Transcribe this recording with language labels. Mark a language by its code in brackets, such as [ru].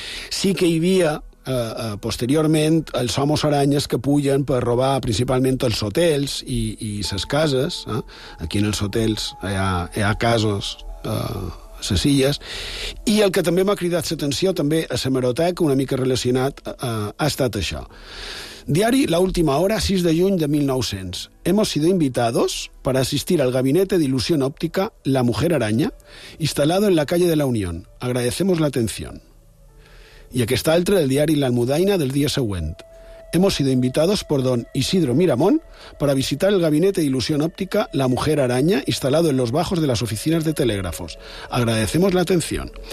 [ca] Sí que hi havia posteriorment els homes aranyes que pugen per robar principalment els hotels i les cases. Aquí en els hotels hi ha casos... Ses illes. I el que també m'ha cridat l'atenció també a l'hemeroteca, una mica relacionat, ha estat això. Diari La Última Hora, 6 de juny de 1900. [es] Hemos sido invitados para asistir al gabinete de ilusión óptica La Mujer Araña, instalado en la calle de la Unión. Agradecemos la atención. [ca] I aquesta altra del diari La Almudaina del dia següent. [es] Hemos sido invitados por don Isidro Miramón para visitar el gabinete de ilusión óptica La Mujer Araña, instalado en los bajos de las oficinas de telégrafos. Agradecemos la atención.